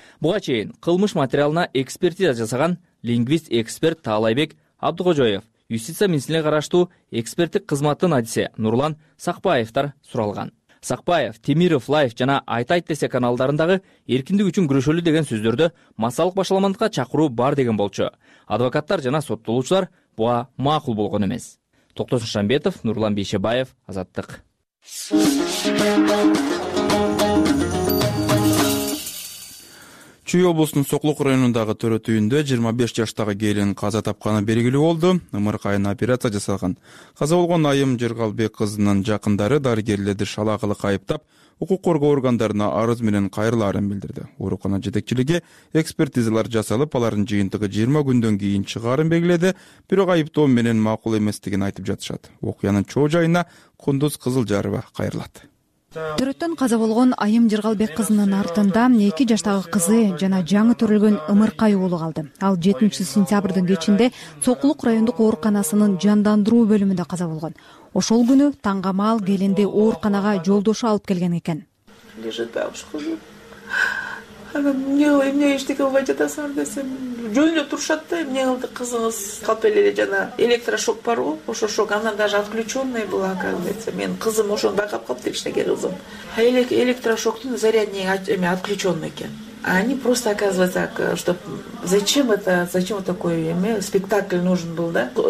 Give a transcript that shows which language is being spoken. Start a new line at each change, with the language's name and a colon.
Kyrgyz: Буга чейин кылмыш материалына экспертиза жасаган лингвист эксперт Таалайбек Абдыкожоев, юстиция министрлигине караштуу эксперттик кызматтын адиси Нурлан Сакпаевтер суралган. Сакпаев, Темиров Лайф жана Айтайт десе каналдарындагы эркиндик үчүн күрөшөлү деген сөздөрдө массалык башаламандыкка чакыруу бар деген болчу. Адвокаттар жана соттолуучулар буга макул болгон эмес. Токтосун Шамбетов, Нурлан Бейшебаев, Азаттык. Чүй облусунун Соклук районундагы Төрөт үйүндө 25 жаштагы келин каза тапканы белгилүү болду. Ымыркайына операция жасалган. Каза болгон айым Жыргалбек кызынын жакындары дарыгерлерди шалаакылык айыптап, укук коргоо органдарына арыз менен кайрылаарын билдирди. Оорукана жетекчилиги экспертизалар жасалып, алардын жыйынтыгы 20 күндөн кийин чыгаарын белгиледи, бирок айыптоо менен макул эместигин айтып жатышат. Окуянын чоо жайына Кундуз Кызылжарова кайрылат. Төрөттөн каза болгон айым Жыргалбек кызынын артында 2 жаштагы кызы жана жаңы төрөлгөн Ымыркай уулу калды. Ал 7 сентябрдын кечинде Соклук райондук ооруканасынын жандандыруу бөлүмүндө каза болгон. Ошол күнү таңга маал келинди ооруканага жолдошу алып келген экен.
Russian: Лежит бабушка.
Kyrgyz: Анан эмне кылып, эмне эчтеке кылбай жатасыңар десем, жөнүндө турушат да, эмне кылды кызыңыз? Калп эле жана электрошок барго, ошо шок, анан
Russian: даже отключенный была, оказывается.
Kyrgyz: Мен кызым ошону байкап калыптыр, эчтеке кызым. А электрошоктун зарядниги
Russian: отключенный
Kyrgyz: экен.
Russian: А они просто, оказывается, что зачем такой спектакль нужен был, да?